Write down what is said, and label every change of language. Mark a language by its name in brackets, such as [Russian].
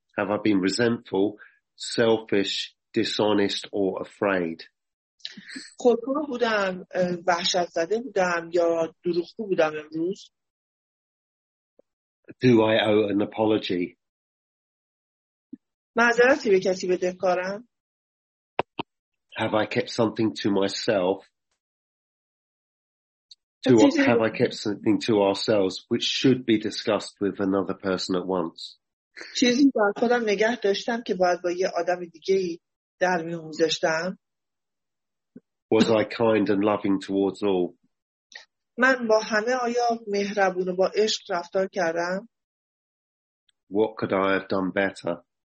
[English] Have I been resentful, selfish, dishonest or afraid? [Persian] خودخواه بودم، وحشت زده بودم یا دروغگو بودم امروز؟ [English] Do I owe an apology? [Persian] معذرتی به کسی بدهکارم؟ [English] Have I kept something to myself? Have I kept something to ourselves which should be discussed with another person at once? [Persian] چیزی با خودم نگه داشتم که باید با یه آدم دیگه‌ای در میون گذاشتم؟ [English] Was I kind and loving towards all? [Persian] من با همه آیا مهربون و با عشق رفتار کردم؟ [English] What could I have done better?